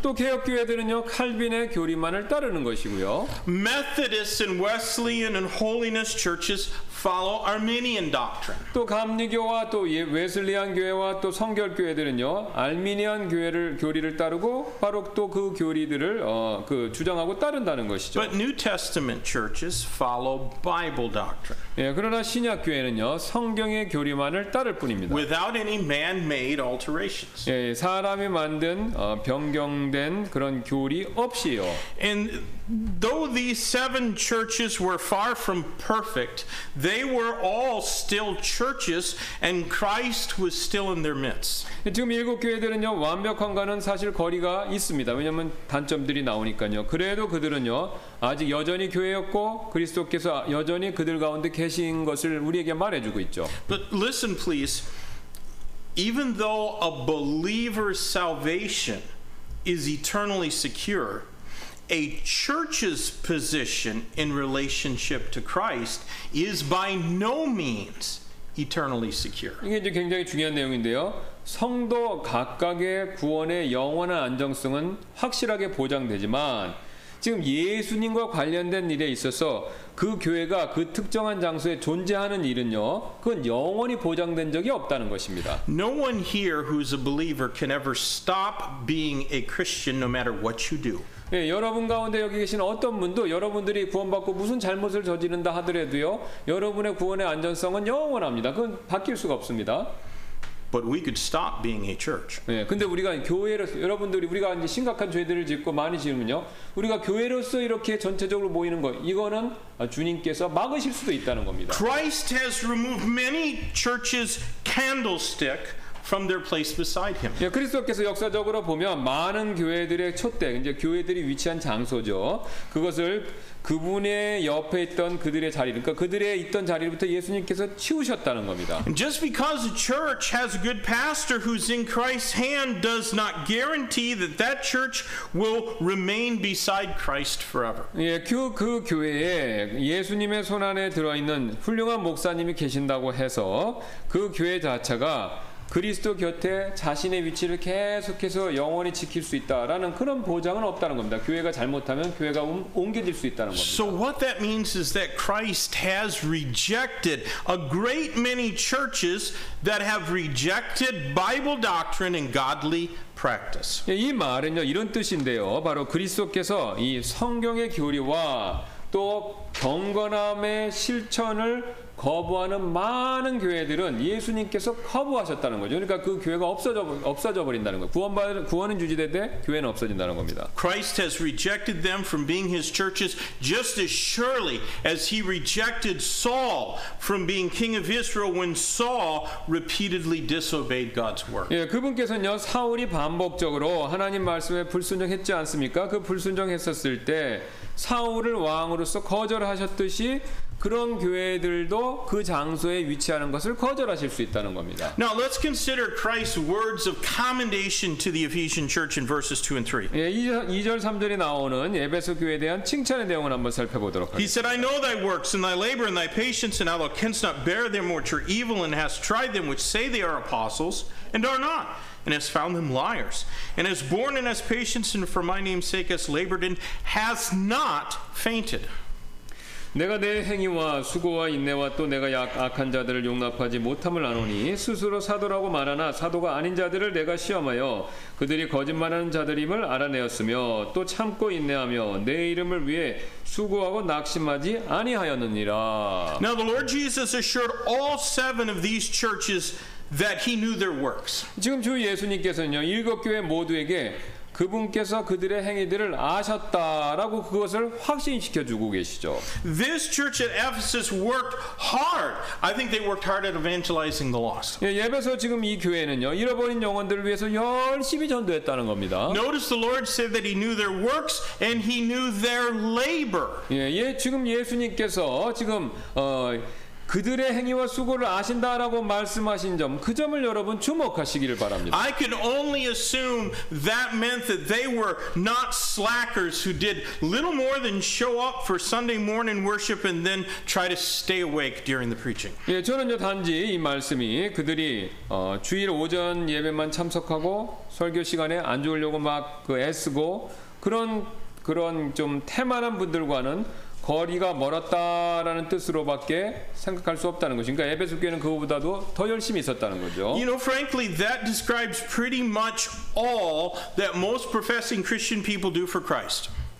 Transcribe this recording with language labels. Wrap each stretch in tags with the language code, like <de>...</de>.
<ko>또 개혁 교회들은요, 칼빈의 교리만을 따르는 것이고요.</ko> <en>Methodists and Wesleyan and Holiness churches follow Arminian doctrine.</en> <ko>또 감리교와 또 웨슬리안 교회와 또 성결 교회들은요, 알미니안 교회 교회를 교리를 따르고 바로 또 그 교리들을 그 주장하고 따른다는 것이죠.</ko> <en>But New Testament churches follow Bible doctrine.</en> <ko>예, 그러나 신약 교회는요 성경의 교리만을 따를 뿐입니다.</ko> <en>Without any man-made alterations.</en> <ko>예, 사람이 만든 변경된 그런 교리 없이요.</ko> <en>And though these seven churches were far from perfect, they were all still churches, and Christ was still in their midst.</en> <ko>지금 일곱 교회들은요 완벽한가는 사실 거리가 있습니다. 왜냐하면 단점들이 나오니까요. 그래도 그들은요 아직 여전히 교회였고 그리스도께서 여전히 그들 가운데 계신 것을 우리에게 말해주고 있죠.</ko> <en>But listen, please. Even though a believer's salvation is eternally secure, a church's position in relationship to Christ is by no means eternally secure.</en> <ko>이게 이제 굉장히 중요한 내용인데요. 성도 각각의 구원의 영원한 안정성은 확실하게 보장되지만 지금 예수님과 관련된 일에 있어서 그 교회가 그 특정한 장소에 존재하는 일은요, 그건 영원히 보장된 적이 없다는 것입니다.</ko> <en>No one here who's a believer can ever stop being a Christian no matter what you do.</en> <ko>예, 여러분 가운데 여기 계신 어떤 분도 여러분들이 구원받고 무슨 잘못을 저지른다 하더라도요, 여러분의 구원의 안전성은 영원합니다. 그건 바뀔 수가 없습니다.</ko> <en>But we could stop being a church.</en> <ko>예, 근데 우리가 교회로서 여러분들이 우리가 이제 심각한 죄들을 짓고 많이 지으면요, 우리가 교회로서 이렇게 전체적으로 모이는 거 이거는 주님께서 막으실 수도 있다는 겁니다.</ko> <en>Christ has removed many churches' candlestick from their place beside him.</en> <ko>예, 그리스도께서 역사적으로 보면 많은 교회들의 촛대, 이제 교회들이 위치한 장소죠. 그것을 그분의 옆에 있던 그들의 자리, 그러니까 그들의 있던 자리부터 예수님께서 치우셨다는 겁니다.</ko> <en>Just because a church has a good pastor who's in Christ's hand does not guarantee that that church will remain beside Christ forever.</en> <ko>예, 그 교회에 예수님의 손 안에 들어 있는 훌륭한 목사님이 계신다고 해서 그 교회 자체가 그리스도 곁에 자신의 위치를 계속해서 영원히 지킬 수 있다라는 그런 보장은 없다는 겁니다. 교회가 잘못하면 교회가 옮겨질 수 있다는 겁니다.</ko> <en>So what that means is that Christ has rejected a great many churches that have rejected Bible doctrine and godly practice.</en> <ko>예, 이 말은요 이런 뜻인데요. 바로 그리스도께서 이 성경의 교리와 또 경건함의 실천을 거부하는 많은 교회들은 예수님께서 거부하셨다는 거죠. 그러니까 그 교회가 없어져 버린다는 거예요. 구원은 유지되되 교회는 없어진다는 겁니다.</ko> <en>Christ has rejected them from being his churches just as surely as he rejected Saul from being king of Israel when Saul repeatedly disobeyed God's word.</en> <ko>예, 그분께서는요 사울이 반복적으로 하나님 말씀에 불순종했지 않습니까? 그 불순종했었을 때 사울을 왕으로서 거절하셨듯이 그런 교회들도 그 장소에 위치하는 것을 거절하실 수 있다는 겁니다.</ko> <en>Now let's consider Christ's words of commendation to the Ephesian church in verses 2 and 3.</en> <ko>예, 2절 3절에 나오는 에베소 교회에 대한 칭찬의 내용을 한번 살펴보도록 하겠습니다.</ko> <en>He said, I know thy works and thy labor and thy patience, and how thou canst not bear them which are evil, and hast tried them which say they are apostles and are not, and hast found them liars, and hast borne and hast patience, and for my name's sake hast labored and hast not fainted.</en> <ko>내가 내 행위와 수고와 인내와 또 내가 악한 자들을 용납하지 못함을 아노니 스스로 사도라고 말하나 사도가 아닌 자들을 내가 시험하여 그들이 거짓말하는 자들임을 알아내었으며 또 참고 인내하며 내 이름을 위해 수고하고 낙심하지 아니하였느니라.</ko> <en>Now the Lord Jesus assured all seven of these churches that he knew their works.</en> <ko>지금 주 예수님께서는요 일곱 교회 모두에게 그분께서 그들의 행위들을 아셨다라고 그것을 확신시켜주고 계시죠.</ko> <en>This church at Ephesus worked hard. I think they worked hard at evangelizing the lost.</en> <ko>예, 예배소 지금 이 교회는요 잃어버린 영혼들을 위해서 열심히 전도했다는 겁니다.</ko> <en>Notice the Lord said that he knew their works and he knew their labor.</en> <ko>예, 예 지금 예수님께서 지금 그들의 행위와 수고를 아신다라고 말씀하신 점, 그 점을 여러분 주목하시기를 바랍니다.</ko> <en>I can only assume that meant that they were not slackers who did little more than show up for Sunday morning worship and then try to stay awake during the preaching.</en> <ko>예, 저는요 단지 이 말씀이 그들이 주일 오전 예배만 참석하고 설교 시간에 안 좋으려고 막 그 애쓰고 그런 좀 태만한 분들과는 거리가 멀었다라는 뜻으로밖에 생각할 수 없다는 것이. 그러니까 에베소 교회는 그거보다도 더 열심히 있었다는 거죠.</ko> <en>You know, frankly, that describes pretty much all that most professing Christian people do for Christ.</en>